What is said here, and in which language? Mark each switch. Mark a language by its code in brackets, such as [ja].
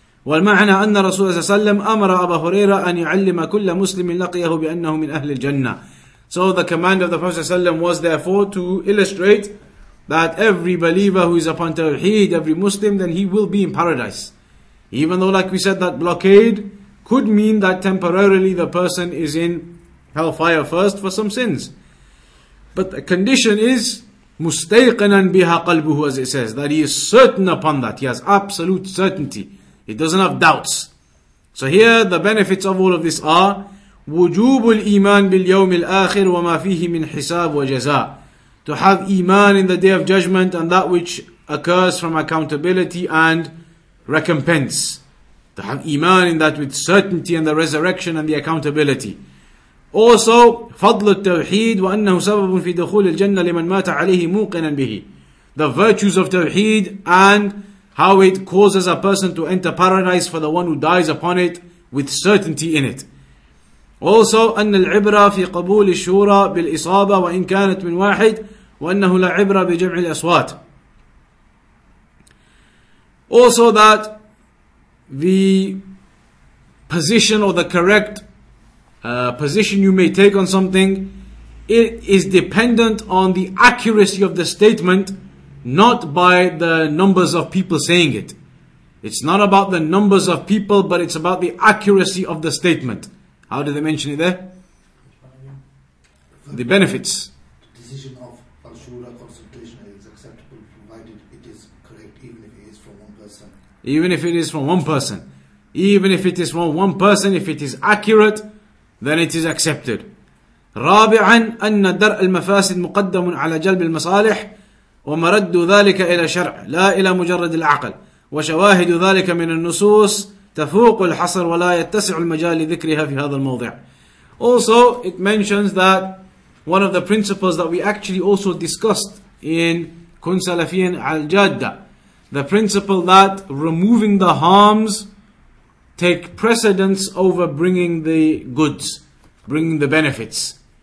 [ar] والمعنى أن رسول الله صلى الله عليه وسلم أمر أبا هريرة أن يعلم كل مسلم لقيه بأنه من أهل الجنة. [en] So the command of the Prophet ﷺ was therefore to illustrate that every believer who is upon Tawheed, every Muslim, then he will be in paradise. Even though, like we said, that blockade could mean that temporarily the person is in hellfire first for some sins. But the condition is [ar] مُسْتَيْقِنًا بِهَا قَلْبُهُ, [en] as it says, that he is certain upon that. He has absolute certainty. He doesn't have doubts. So here the benefits of all of this are [ar] وُجُوبُ الْإِيمَانِ بِالْيَوْمِ الْآخِرِ وَمَا فِيهِ مِنْ حِسَابُ وَجَزَاءُ, [en] to have iman in the day of judgment and that which occurs from accountability and recompense. To have iman in that with certainty and the resurrection and the accountability. [ar] Also, فضل التوحيد وأنه سبب في دخول الجنة لمن مات عليه موقنا به. [en] The virtues of Tawheed and how it causes a person to enter paradise for the one who dies upon it with certainty in it. [ar] Also, أن العبرة في قبول الشورى بالإصابة وإن كانت من واحد وأنه لا عبرة بجمع الأصوات. [en] Also that the position or the correct position you may take on something, it is dependent on the accuracy of the statement, not by the numbers of people saying it. It's not about the numbers of people, but it's about the accuracy of the statement. How did they mention it there? The benefits. The decision of al-shura consultation is acceptable provided it is correct, even if it is from one person. Even if it is from one person. Even if it is from one person, if it is accurate, then it is accepted. [ar] رابعا أن درء المفاسد مقدم على جلب المصالح ومرد ذلك إلى شرع لا إلى مجرد العقل وشواهد ذلك من النصوص تفوق الحصر ولا يتسع المجال لذكرها في هذا الموضع. [en] Also, it mentions that one of the principles that we actually also discussed in كن سلفيا على الجادة, the principle that removing the harms take precedence over bringing the goods, bringing the benefits.